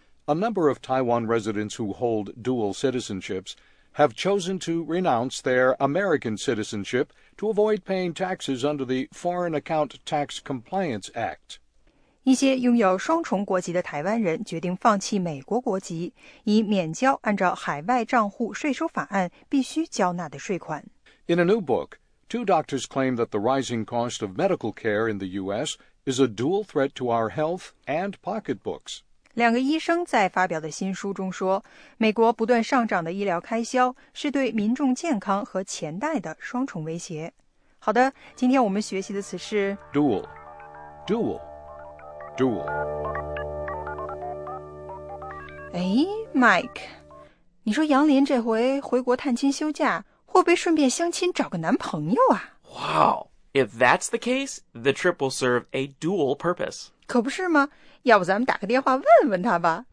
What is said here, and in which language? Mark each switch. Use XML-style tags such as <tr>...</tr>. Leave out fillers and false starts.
<en>A number of Taiwan residents who hold dual citizenships have chosen to renounce their American citizenship to avoid paying taxes under the Foreign Account Tax Compliance Act.</en> <zh>一些拥有双重国籍的台湾人决定放弃美国国籍，以免交按照海外账户税收法案必须缴纳的税款。</zh> <en>In a new book, two doctors claim that the rising cost of medical care in the U.S. is a dual threat to our health and pocketbooks.</en> <zh>两个医生在发表的新书中说，美国不断上涨的医疗开销是对民众健康和钱袋的双重威胁。好的，今天我们学习的词是</zh> <en>dual, dual, dual.</en> <zh>哎 ，Mike， 你说杨林这回回国探亲休假。会不会顺便相亲找个男朋友啊</zh> <en>？Wow! If that's the case, the trip will serve a dual purpose.</en> <zh>可不是吗？要不咱们打个电话问问他吧。</zh>